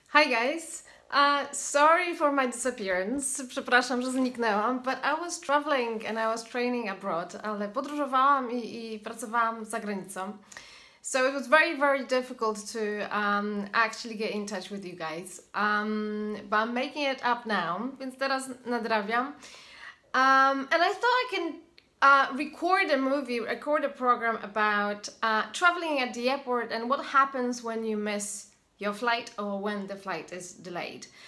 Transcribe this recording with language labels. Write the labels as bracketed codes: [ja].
[en] Hi guys, sorry for my disappearance. [pl] Przepraszam, że zniknęłam, [en] but I was traveling and I was training abroad, [pl] ale podróżowałam i pracowałam za granicą. [en] So it was very, very difficult to actually get in touch with you guys. But I'm making it up now, [pl] więc teraz nadrabiam. [en] And I thought I can record a movie, record a program about traveling at the airport and what happens when you miss your flight or when the flight is delayed.